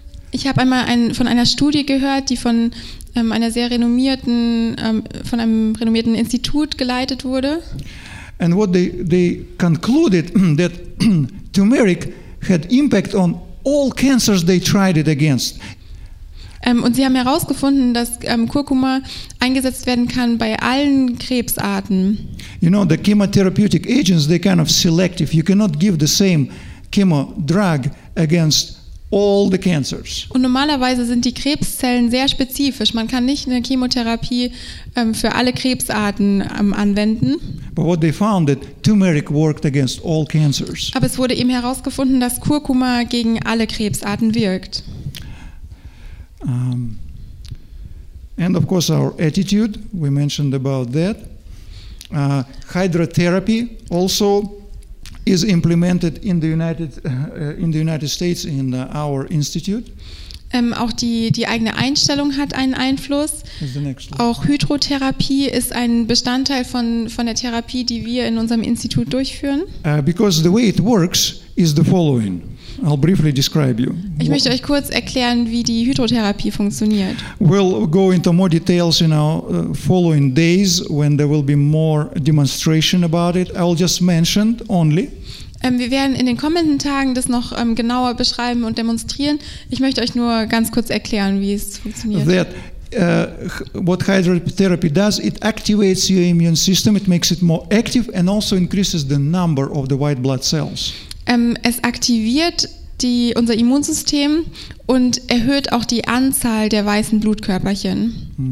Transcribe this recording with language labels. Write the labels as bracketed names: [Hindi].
[German] Ich habe einmal von einer Studie gehört, die von einer sehr renommierten, von einem renommierten Institut geleitet wurde. [English] And what they concluded that turmeric had impact on all cancers they tried it against. [German] Und sie haben herausgefunden, dass Kurkuma eingesetzt werden kann bei allen Krebsarten. [English] You know, the chemotherapeutic agents, they kind of selective. You cannot give the same chemo drug against all the cancers. [German] Und normalerweise sind die Krebszellen sehr spezifisch. Man kann nicht eine Chemotherapie für alle Krebsarten anwenden. [English] But what they found that turmeric worked against all cancers. [German] Aber es wurde eben herausgefunden, dass Kurkuma gegen alle Krebsarten wirkt. [English] And of course our attitude, we mentioned about that. Hydrotherapy also is implemented in the United States in our institute. [German] Auch die eigene Einstellung hat einen Einfluss. Auch Hydrotherapie ist ein Bestandteil von der Therapie, die wir in unserem Institut durchführen. [English] Because the way it works is the following. I'll briefly describe you. [German] Ich möchte euch kurz erklären, wie die Hydrotherapie funktioniert. [English] We'll go into more details in our following days when there will be more demonstration about it. I'll just mention only. [German] Wir werden in den kommenden Tagen das noch genauer beschreiben und demonstrieren. Ich möchte euch nur ganz kurz erklären, wie es funktioniert. [English] That, what hydrotherapy does, it activates your immune system, it makes it more active and also increases the number of the white blood cells. [German] Es aktiviert unser Immunsystem und erhöht auch die Anzahl der weißen Blutkörperchen.